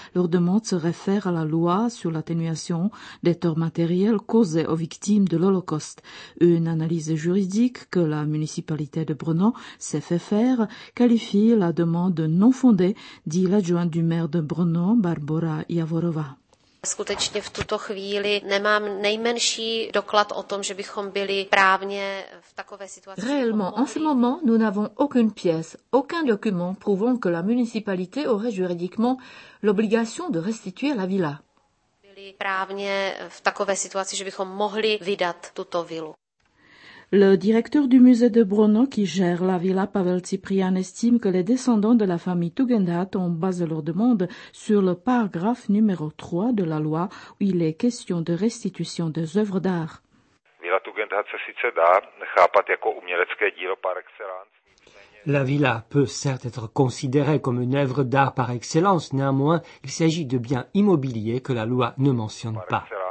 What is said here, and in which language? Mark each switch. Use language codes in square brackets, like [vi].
[fr] Leur demande se réfère à la loi sur l'atténuation des torts matériels causés aux victimes de l'Holocauste. Une analyse juridique que la municipalité de Brno s'est fait faire qualifie la demande non fondée, dit l'adjoint du maire de Brno, Barbara Javorová. [cs] Skutečně v tuto chvíli nemám nejmenší doklad o tom, že bychom byli právně v takové situaci. [fr] Réellement, en ce moment, nous n'avons aucune pièce, aucun document prouvant que la municipalité aurait juridiquement l'obligation de restituer la villa. [cs] Byli právně v takové situaci, že bychom mohli vydat tuto vilu. [fr] Le directeur du musée de Brno qui gère la villa, Pavel Cyprian, estime que les descendants de la famille Tugendhat ont basé leur demande sur le paragraphe numéro 3 de la loi où il est question de restitution des œuvres d'art. [cs] Villa Tugendhat se sice dá chápat jako umělecké dílo par excellence. [fr] La villa peut certes être considérée comme une œuvre d'art par excellence, néanmoins il s'agit de biens immobiliers que la loi ne mentionne pas.